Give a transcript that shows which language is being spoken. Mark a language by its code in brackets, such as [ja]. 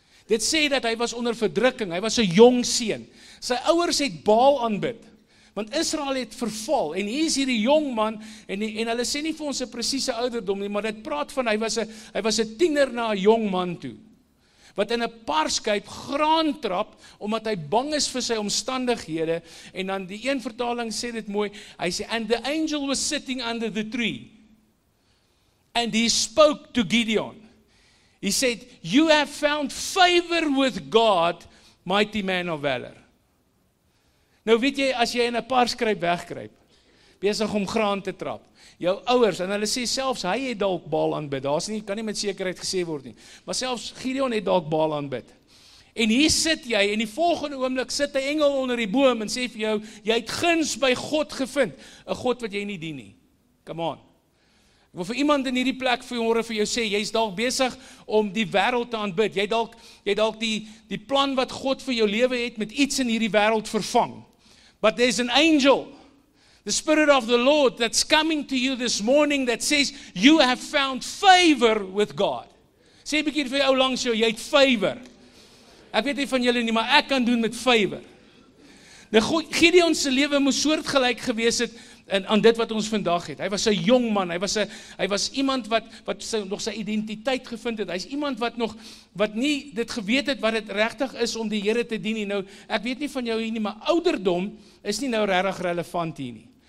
[af] Dit sê dat hy was onder verdrukking, hy was 'n jong seun. Sy ouers het Baal aanbid, want Israel het verval, en hier is hierdie jong man, en hulle sê nie vir ons 'n presiese ouderdom nie, maar dit praat van, hy was 'n tiener na 'n jong man toe, wat in 'n parskuip graan trap, omdat hy bang is vir sy omstandighede, en dan die een vertaling sê dit mooi, hy sê, [en] and the angel was sitting under the tree, and he spoke to Gideon. He said, you have found favor with God, mighty man of valor. [af] Nou weet jy, as jy in 'n parskuip wegkruip, besig om graan te trap, jou ouers, en hulle sê selfs, hy het dalk Baal aanbid, daar nie, kan nie met sekerheid gesê word nie, maar selfs Gideon het dalk Baal aanbid, en hier sit jy, en die volgende oomblik sit die engel onder die boom, en sê vir jou, jy het guns by God gevind, 'n God wat jy nie dien nie, [en] come on, [af] ek wil vir iemand in hierdie plek vir jou sê, jy is dalk besig om die wêreld te aanbid, jy dalk die plan wat God vir jou lewe het, met iets in hierdie wêreld vervang, [en] but there's an angel, the Spirit of the Lord that's coming to you this morning that says, you have found favor with God. [af] Sê bietjie vir jou langs jou, jy het favor. Ek weet nie van julle nie, maar ek kan doen met favor. Nou, Gideon se lewe moes soortgelyk gewees het aan dit wat ons vandag het. Hy was 'n jong man, hy was iemand wat nog sy identiteit gevind het. Hy is iemand wat nie dit geweet het wat het regtig is om die Here te dien nie. Nou, ek weet nie van jou hier nie, maar ouderdom is nie nou regtig relevant hier nie.